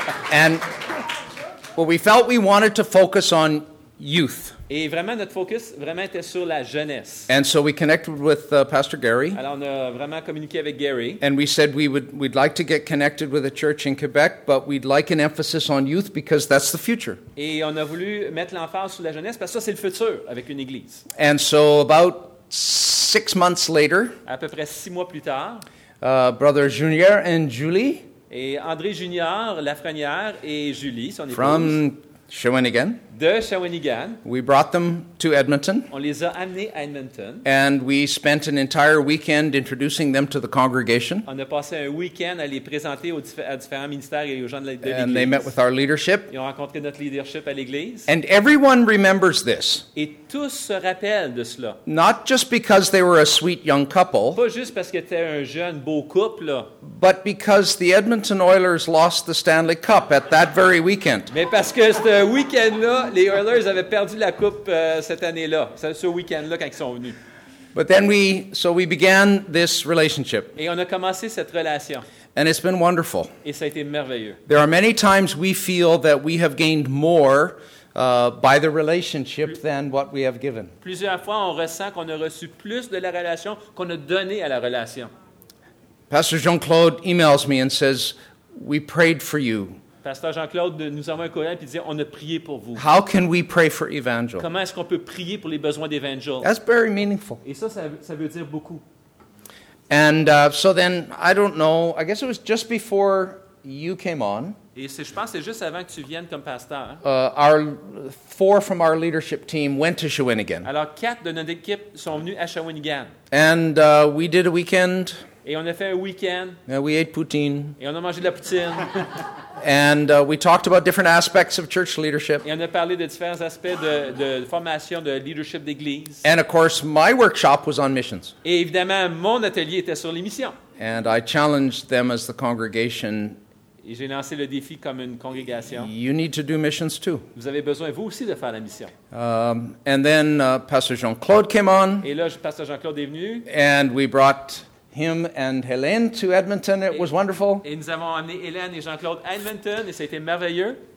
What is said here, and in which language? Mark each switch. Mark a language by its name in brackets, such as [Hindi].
[English] And what we felt we wanted to focus on youth. [French] Et vraiment notre focus vraiment était sur la jeunesse. [English] And so we connected with Pastor Gary. [French] Alors on a vraiment communiqué avec Gary. [English] And we said we'd like to get connected with a church in Quebec, but we'd like an emphasis on youth because that's the future. [French] Et on a voulu mettre l'emphase sur la jeunesse parce que ça c'est le futur avec une église. [English] And so about 6 months later, [French] à peu près 6 mois plus tard, [English] Brother Junior and Julie, [French] et André Junior, Lafrenière et Julie, son épouse, [English] from Shawinigan, [French] de Shawinigan, [English] we brought them to Edmonton, [French] on les a amenés à Edmonton, [English] and we spent an entire weekend introducing them to the congregation. [French] On a passé un week-end à les présenter aux différents ministères et aux gens de l'église. [English] And they met with our leadership. [French] Ils ont rencontré notre leadership à l'église. [English] And everyone remembers this. [French] Et tous se rappellent de cela. [English] Not just because they were a sweet young couple. [French] Pas juste parce qu'ils étaient un jeune beau couple. [English] But because the Edmonton Oilers lost the Stanley Cup at that very weekend. [French] Mais parce que ce week-end-là, les Oilers avaient perdu la coupe cette année-là, ce week-end-là quand ils sont venus. [English] But then we began this relationship. [French] Et on a commencé cette relation. [English] And it's been wonderful. [French] Et ça a été merveilleux. [English] There are many times we feel that we have gained more by the relationship than what we have given. [French] Plusieurs fois, on ressent qu'on a reçu plus de la relation qu'on a donné à la relation. [English] Pastor Jean-Claude emails me and says, "We prayed for you." [French] Pasteur Jean-Claude nous envoie un courriel et dit, on a prié pour vous. [English] How can we pray for evangel? [French] Comment est-ce qu'on peut prier pour les besoins d'Evangel? [English] That's very meaningful. [French] Et ça veut dire beaucoup. [English] And so then, I don't know, I guess it was just before you came on. [French] Et je pense que c'est juste avant que tu viennes comme pasteur. [English] Four from our leadership team went to Shawinigan. [French] Alors, 4 de notre équipe sont venus à Shawinigan. [English] And we did a weekend. [French] Et on a fait un week-end. [English] Yeah, we ate poutine. [French] Et on a mangé de la poutine. [English] And we talked about different aspects of church leadership. [French] Et on a parlé de différents aspects de formation de leadership d'église. [English] And of course, my workshop was on missions. [French] Et évidemment, mon atelier était sur les missions. [English] And I challenged them as the congregation. [French] Et j'ai lancé le défi comme une congrégation. [English] You need to do missions too. [French] Vous avez besoin, vous aussi, de faire la mission. [English] And then Pasteur Jean-Claude came on. [French] Et là, Pasteur Jean-Claude est venu. [English] And we brought him and Hélène to Edmonton. It was wonderful. [French] Et nous avons amené Hélène et Jean-Claude à Edmonton, et ça a été merveilleux.